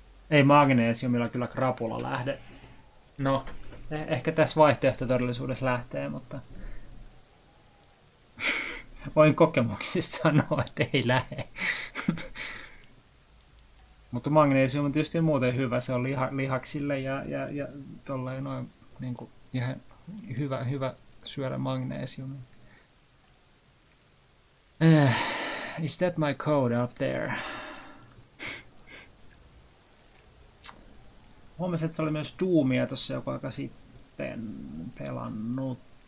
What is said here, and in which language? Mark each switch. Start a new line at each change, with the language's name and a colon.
Finnish: Ei magneesiumilla kyllä krapula lähde. No, ehkä tässä vaihtoehto todellisuudessa lähtee, mutta voin kokemuksissa sanoa, että ei lähde. Mutta magneesium on tietysti muuten hyvä, se on lihaksille ja tolleen noin niin kuin ihan hyvä syödä magneesiumia.
English: Is that my code out there?
Finnish: Huomasin, että oli myös Doomia tuossa joku aika sitten pelannut.